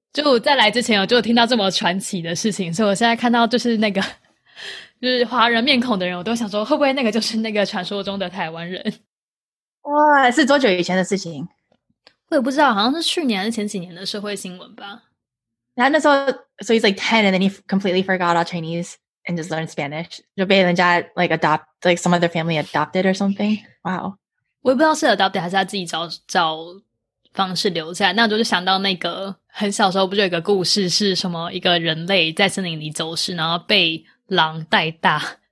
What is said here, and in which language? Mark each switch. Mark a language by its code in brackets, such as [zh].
[zh] 就在来之前我就听到这么传奇的事情，所以我现在看到就是那个就是华人面孔的人，我都想说会不会那个就是那个传说中的台湾人。哇，是多久以前的事情？我也不知道，好像是去年还是前几年的社会新闻吧。那时候 [en] so he's like 10 and then he completely forgot all Chinese and just learned Spanish， [zh] 就被人家 [en] like adopt like some other family adopted or something。 Wow， [zh] 我也不知道是 adopted 还是他自己找方式留下。那我就想到那个很小时候不就有一个故事，是什么一个人类在森林里走失，然后被狼带大。